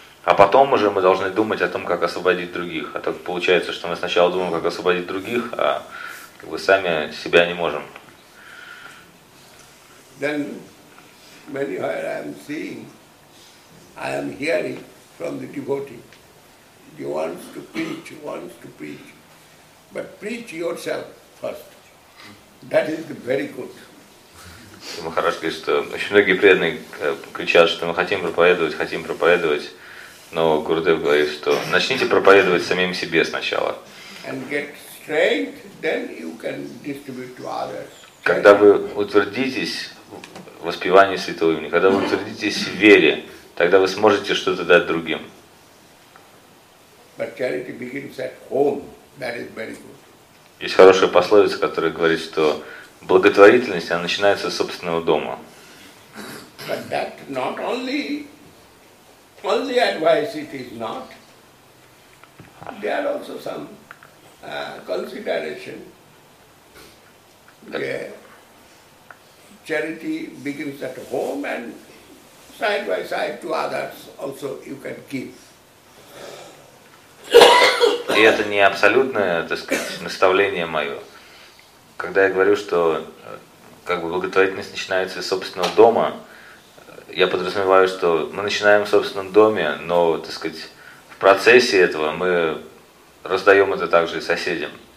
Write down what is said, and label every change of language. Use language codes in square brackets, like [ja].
[ru] А потом уже мы должны думать о том, как освободить других. А так получается, что мы сначала думаем, как освободить других, а как бы сами себя не можем. [en] Then many where I am seeing, I am hearing from the devotee. He wants to preach. But preach yourself first. That is very good. [ru] Махарадж говорит, что очень многие преданные кричат, что мы хотим проповедовать. Но Гурудев говорит, что начните проповедовать самим себе сначала. [en] And get strength, then you can distribute to others. [ru] Когда вы утвердитесь в воспевании святого имени, когда вы утвердитесь в вере, тогда вы сможете что-то дать другим. [en] But charity begins at home. That is very good. [ru] Есть хорошая пословица, которая говорит, что благотворительность, она начинается с собственного дома. [en] But that not only advice it is not. There are also some consideration. Charity begins at home, and side by side to others also you can give. [ru] И это не абсолютное, так сказать, наставление мое. Когда я говорю, что как бы благотворительность начинается с собственного дома, я подразумеваю, что мы начинаем в собственном доме, но, так сказать, в процессе этого мы раздаем это также и соседям.